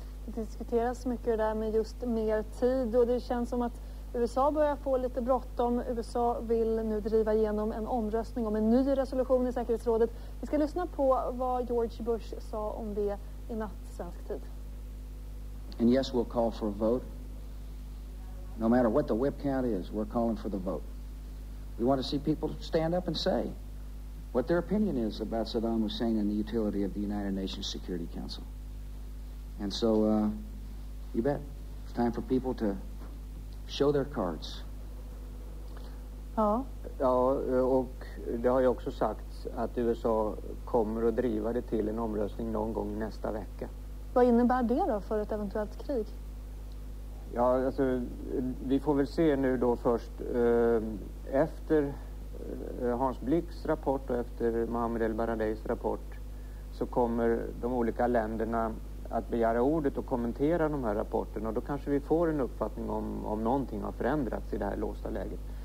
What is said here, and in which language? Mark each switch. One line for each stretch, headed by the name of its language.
Swedish: Det diskuteras mycket där med just mer tid, och det känns som att USA börjar få lite bråttom. USA vill nu driva igenom en omröstning om en ny resolution i säkerhetsrådet. Vi ska lyssna på vad George Bush sa om det i natt svensk tid.
English: And yes, we'll call for a vote. No matter what the whip count is, we're calling for the vote. We want to see people stand up and say what their opinion is about Saddam Hussein and the utility of the United Nations Security Council. And so, you bet. It's time for people to show their cards.
Swedish: Ja. Ja, och det har ju också sagts att USA kommer att driva det till en omröstning någon gång nästa vecka. Vad innebär det då för ett eventuellt krig? Ja, alltså, vi får väl se nu då först efter Hans Blix rapport och efter Mohammed El Baradeis rapport, så kommer de olika länderna att begära ordet och kommentera de här rapporterna, och då kanske vi får en uppfattning om någonting har förändrats i det här låsta läget.